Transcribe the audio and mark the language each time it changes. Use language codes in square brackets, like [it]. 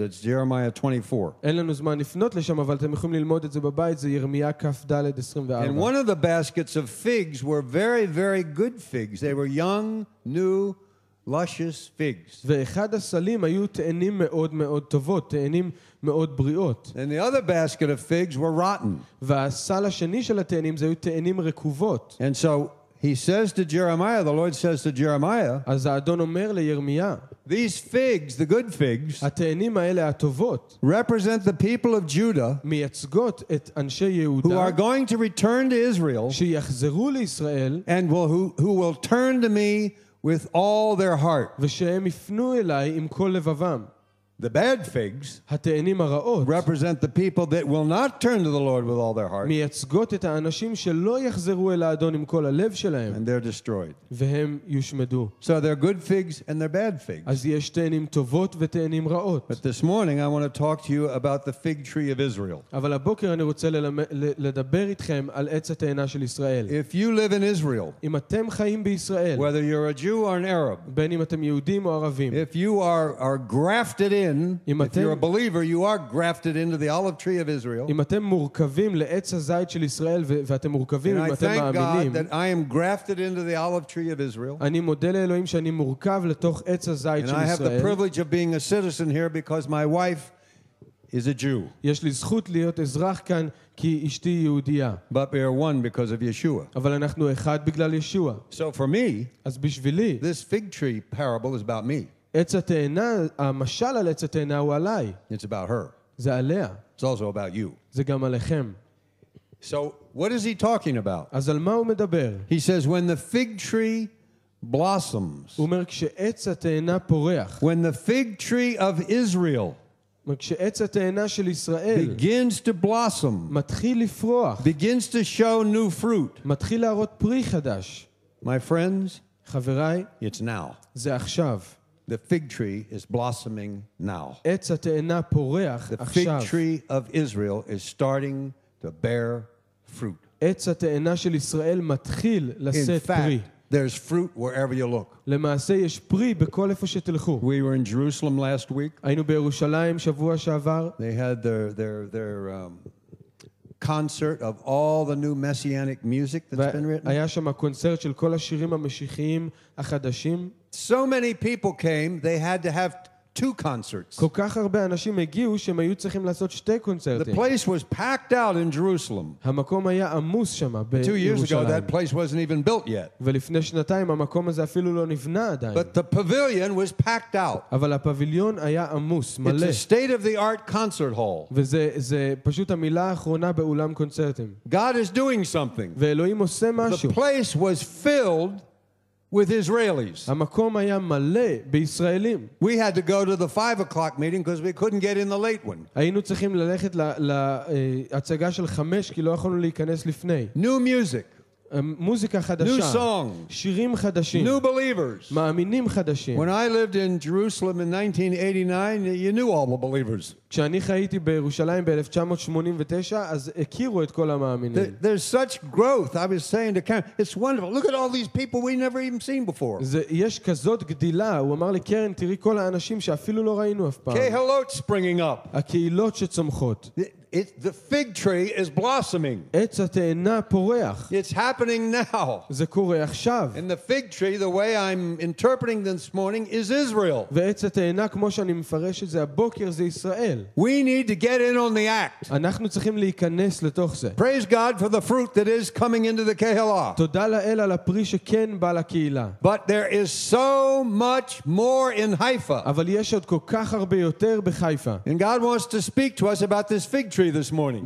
[en] It's Jeremiah 24. [he] אין לנו זמן לפנות לשם, אבל אתם יכולים ללמוד את זה בבית. זה ירמיה כ"ד 24. [en] And one of the baskets of figs were very, very good figs. They were young, new, luscious figs. [he] ואחד הסלים היו תאנים מאוד מאוד טובות, תאנים מאוד בריאות. [en] And the other basket of figs were rotten. [he] והסל השני של התאנים זה היו תאנים רקובות. [en] And so he says to Jeremiah, the Lord says to Jeremiah, [he] אז האדון אומר לירמיה, [en] these figs, the good figs, [he] התאנים האלה הטובות, [en] represent the people of Judah, [he] מייצגות את אנשי יהודה, [en] who are going to return to Israel, [he] שיחזרו לישראל, [en] and who will turn to me with all their heart. [he] ושהם יפנו אליי עם כל לבבם. [en] The bad figs, [he] התאנים הרעות, [en] represent the people that will not turn to the Lord with all their heart. [he] מייצגות את האנשים שלא יחזרו אל האדון עם כל הלב שלהם. [en] And they're destroyed. [he] והם יושמדו. [en] So they're good figs and they're bad figs. [he] אז יש תאנים טובות ותאנים רעות. [en] But this morning I want to talk to you about the fig tree of Israel. [he] אבל הבוקר אני רוצה לדבר איתכם על עץ התאנה של ישראל. [en] If you live in Israel, [he] אם אתם חיים בישראל, [en] whether you're a Jew or an Arab, [he] בין אם אתם יהודים או ערבים, [en] if you are grafted in, if you're a believer, you are grafted into the olive tree of Israel. [he] אם אתם מורכבים לעץ הזית של ישראל ואתם מורכבים, אם אתם מאמינים, [en] that I am grafted into the olive tree of Israel. [he] אני מודה לאלוהים שאני מורכב לתוך עץ הזית של ישראל. [en] And I have the privilege of being a citizen here because my wife is a Jew. [he] יש לי זכות להיות אזרח כאן כי אשתי יהודיה. [en] But we are one because of Yeshua. [he] אבל אנחנו אחד בגלל ישוע. [en] So for me, [he] אז בשבילי, [en] this fig tree parable is about me. [he] עץ התאנה, המשל על עץ התאנה הוא עליי. [en] It's about her. [he] זה עליה. [en] It's also about you. [he] זה גם עליכם. [en] So what is he talking about? [he] אז על מה הוא מדבר? [en] He says when the fig tree blossoms. [he] הוא אומר כשעץ התאנה פורח. [en] When the fig tree of Israel. [he] כשעץ התאנה של ישראל. [en] Begins to blossom. [he] מתחיל לפרוח. [en] Begins to show new fruit. [he] מתחיל להראות פרי חדש. [en] My friends. [he] חבריי. [en] It's now. [he] זה עכשיו. [en] The fig tree is blossoming now. [he] עץ התאנה פורח עכשיו. [en] The fig tree of Israel is starting to bear fruit. [he] עץ התאנה של ישראל מתחיל לשאת פרי. [en] There's fruit wherever you look. [he] למעשה יש פרי בכל איפה שתלכו. [en] We were in Jerusalem last week. [he] היינו בירושלים שבוע שעבר. [en] They had their concert of all the new messianic music that's been written. [he] היה שם קונצרט של כל השירים המשיחיים החדשים. [en] So many people came, they had to have two concerts. [he] כל כך הרבה אנשים הגיעו שהם היו צריכים לעשות שתי קונצרטים. [en] The place was packed out in Jerusalem. [he] המקום היה עמוס שמה בירושלים. [en] 2 years ago, that place wasn't even built yet. [he] ולפני שנתיים המקום הזה אפילו לא נבנה עדיין. [en] But the pavilion was packed out. [he] אבל הפביליון היה עמוס, מלא. [en] It's a state-of-the-art concert hall. [he] וזה פשוט המילה האחרונה באולם קונצרטים. [en] God is doing something. [he] ואלוהים עושה משהו. [en] The place was filled with Israelis. [he] המקום היה מלא בישראלים. [en] We had to go to the 5 o'clock meeting because we couldn't get in the late one. [he] היינו צריכים ללכת להצגה של 5 כי לא יכולנו להיכנס לפני. [en] New music. [he] מוזיקה חדשה. [en] New song. [he] שירים חדשים. [en] New believers. [he] מאמינים חדשים. [en] When I lived in Jerusalem in 1989, you knew all the believers. [he] כשאני חייתי בירושלים ב-1989, אז הכירו את כל המאמינים. [en] There's such growth, I was saying to Karen. It's wonderful. Look at all these people we never even seen before. [he] יש כזאת גדילה. הוא אמר לי, קרן, תראי כל האנשים שאפילו לא ראינו אף פעם. קהילות [en] springing up. [he] הקהילות שצומחות. [en] It's the fig tree is blossoming. [he] עץ התאנה פורח. [en] It's happening now. [he] זה קורה עכשיו. [en] And the fig tree, the way I'm interpreting this morning, is Israel. [he] ועץ התאנה, כמו שאני מפרש את זה, הבוקר זה ישראל. [en] We need to get in on the act. [he] אנחנו צריכים להיכנס לתוך זה. [en] Praise God for the fruit that is coming into the Kehillah. [he] תודה לאל על הפרי שכן בא לקהילה. [en] But there is so much more in Haifa. [he] אבל יש עוד כל כך הרבה יותר בחיפה. [en] And God wants to speak to us about this fig tree this morning.